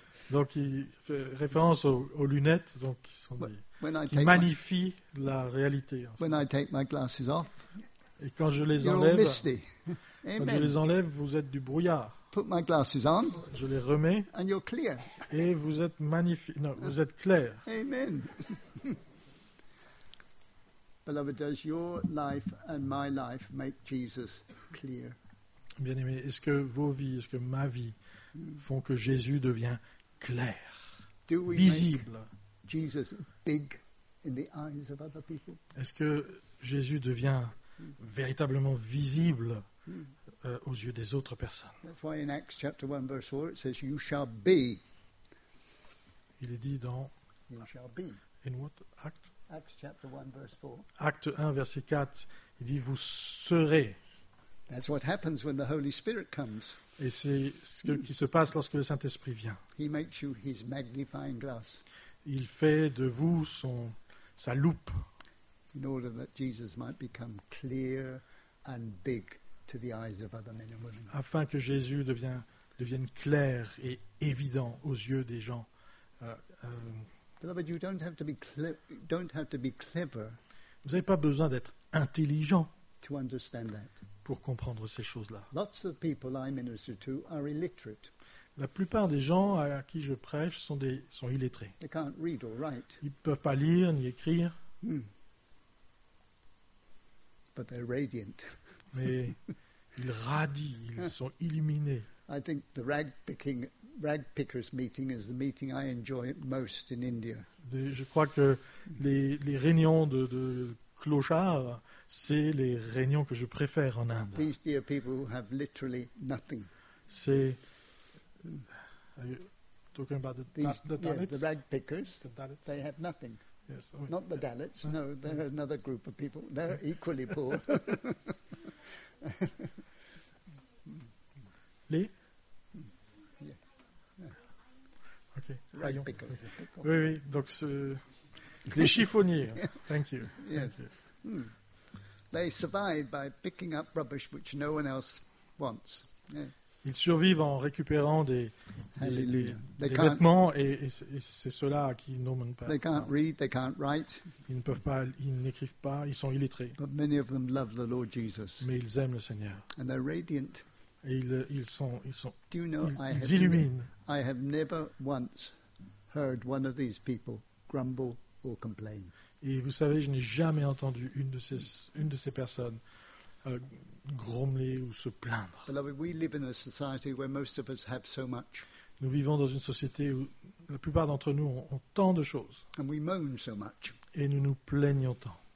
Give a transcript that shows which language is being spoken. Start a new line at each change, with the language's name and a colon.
French: Donc il fait référence aux lunettes donc qui sont qui magnifient la réalité. En fait.
English: When I take my glasses off,
French: et quand je les enlève, quand je les enlève, vous êtes du brouillard.
English: Put my glasses on,
French: je les remets
English: and you're clear.
French: Et vous êtes magnifique. Non, vous êtes clair. Amen.
English: Beloved, does your life and my life make Jesus clear?
French: Bien-aimé, est-ce que vos vies, est-ce que ma vie font que Jésus devient clair,
English: Do we visible? Make Jesus big in the eyes of other people?
French: Est-ce que Jésus devient véritablement visible aux yeux des autres personnes.
English: In Acts chapter 1 verse 4 it says you shall be.
French: Il est dit dans
English: you shall be. In what act? Acts chapter 1 verse 4.
French: Acte 1 verset 4, il dit vous serez.
English: That's what happens when the Holy Spirit comes.
French: Et c'est ce qui se passe lorsque le Saint-Esprit vient.
English: He makes you his magnifying glass.
French: Il fait de vous sa loupe.
English: In order that Jesus might become clear and big to the eyes of other men and women.
French: Afin que Jésus devienne clair et évident aux yeux des gens.
English: Beloved, you don't have to be clever.
French: Vous n'avez pas besoin d'être intelligent
English: to understand that.
French: Pour comprendre ces choses-là.
English: Lots of people I minister to are illiterate.
French: La plupart des gens à qui je prêche sont illettrés.
English: They can't read or write.
French: Ils ne peuvent pas lire ni écrire.
English: But they're radiant.
French: Mais ils radient, ils sont illuminés.
English: I think the rag pickers meeting is the meeting I enjoy most in India.
French: Je crois que les réunions de clochards, c'est les réunions que je préfère en Inde.
English: These dear people have literally nothing. C'est are you talking about the Dalits? Yeah, the rag pickers, the Dalits. They have nothing. Yes. Oh, not the Dalits, no, they're another group of people. They're equally poor.
French: Les?
English: Yeah. Okay. Right, okay.
French: Oui, oui, donc les chiffonniers.
English: Thank you. Yes. Thank you. They survive by picking up rubbish which no one else wants. Yeah.
French: Ils survivent en récupérant des vêtements et c'est cela qui nomme pas.
English: They can't read, they can't write.
French: Ils ne peuvent pas, ils n'écrivent pas, ils sont illettrés.
English: But many of them love the Lord Jesus.
French: Mais ils aiment le Seigneur.
English: And they're radiant.
French: Et ils sont
English: Do you know,
French: ils illuminent.
English: I have never once heard one of these people grumble or complain.
French: Et vous savez, je n'ai jamais entendu une de ces personnes grommeler ou se plaindre.
English: Beloved, we live in a society where most of us have so much.
French: Nous vivons dans une société où la plupart d'entre nous ont tant de choses.
English: And we moan so much.
French: Et nous nous plaignons tant.